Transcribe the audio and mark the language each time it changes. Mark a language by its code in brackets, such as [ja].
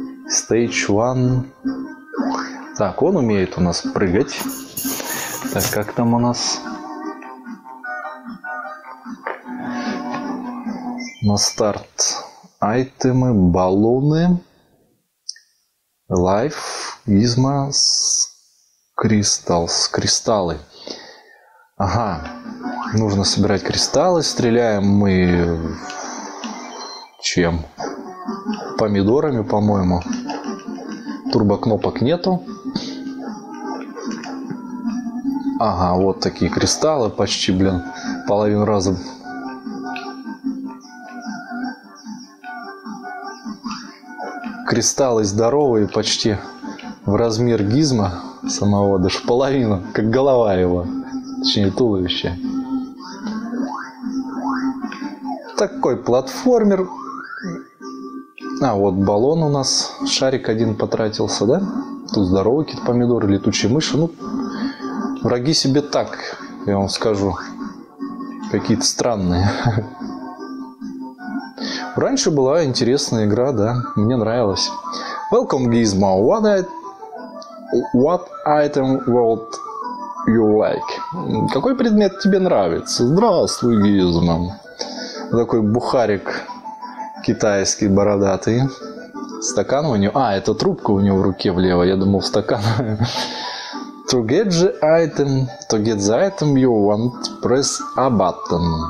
[en] Stage 1. [ru] Так, он умеет у нас прыгать. Так, как там у нас? На старт айтемы, баллоны. [en] Life, Gizmo, Crystals, кристаллы. [ru] Ага, нужно собирать кристаллы. Стреляем мы чем? Помидорами, по-моему. Турбокнопок нету. Ага, вот такие кристаллы, почти, блин, половину раза. Кристаллы здоровые, почти в размер Гизмо самого, даже половину, как голова его, точнее туловище. Такой платформер. А, вот баллон у нас, шарик один потратился, да? Тут здоровый какие-то помидоры, летучие мыши, ну... Враги себе так, я вам скажу. Какие-то странные. Раньше была интересная игра, да. Мне нравилась. [en] Welcome, Gizmo. What item would you like? [ru] Какой предмет тебе нравится? Здравствуй, Gizmo. Такой бухарик китайский, бородатый. Стакан у него... А, это трубка у него в руке влево. Я думал, стакан... [en] To get the item you want, press a button.